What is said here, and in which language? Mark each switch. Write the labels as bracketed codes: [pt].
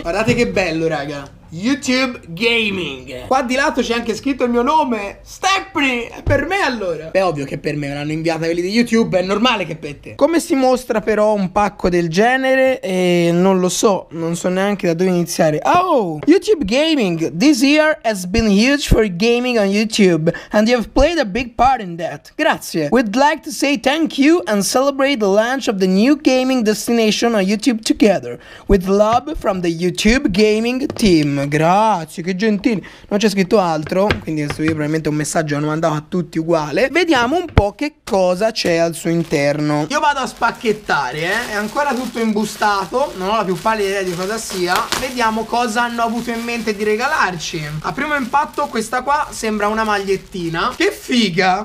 [it] Guardate che bello, raga. YouTube Gaming. Qua di lato c'è anche scritto il mio nome, Stepney. È per me allora. Beh, ovvio che per me, me l'hanno inviata quelli di YouTube. È normale che per te. Come si mostra però un pacco del genere? Non lo so, non so neanche da dove iniziare. Oh, YouTube Gaming. [en] This year has been huge for gaming on YouTube and you have played a big part in that. [it] Grazie. [en] We'd like to say thank you and celebrate the launch of the new gaming destination on YouTube together with love from the YouTube Gaming team. [it] Grazie, che gentili. Non c'è scritto altro, quindi questo video probabilmente un messaggio l'hanno mandato a tutti uguale. Vediamo un po' che cosa c'è al suo interno. Io vado a spacchettare, eh. È ancora tutto imbustato, non ho la più pallida idea di cosa sia. Vediamo cosa hanno avuto in mente di regalarci. A primo impatto questa qua sembra una magliettina. Che figa.